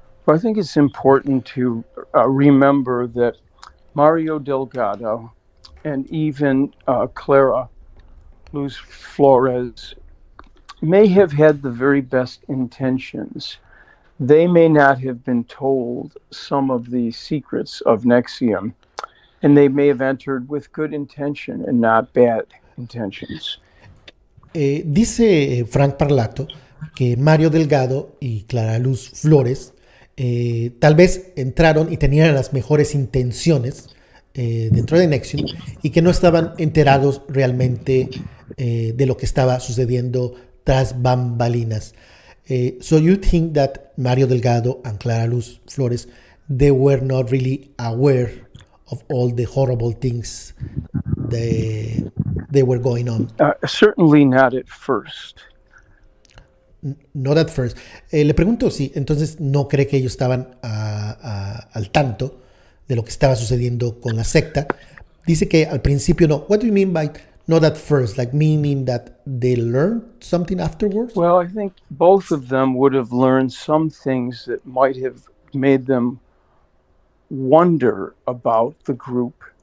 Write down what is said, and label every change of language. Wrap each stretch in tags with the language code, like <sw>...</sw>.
<en>Well, I think it's important to remember that Mario Delgado and even Clara Luz Flores may have had the very best intentions. They may not have been told some of the secrets of Nexium, and they may have entered with good intention and not bad intentions.</en> <es>Dice Frank Parlato que Mario Delgado y Clara Luz Flores tal vez entraron y tenían las mejores intenciones dentro de Nexium y que no estaban enterados realmente de lo que estaba sucediendo tras bambalinas.</es> <en>So you think that Mario Delgado and Clara Luz Flores, they were not really aware of all the horrible things they were going on? Certainly not at first. Not at first.</en> <es>Le pregunto si entonces no cree que ellos estaban al tanto de lo que estaba sucediendo con la secta. Dice que al principio no.</es> <en>What do you mean by not at first, like meaning that they learned something afterwards? Well, I think both of them would have learned some things that might have made them wonder about the group.</en>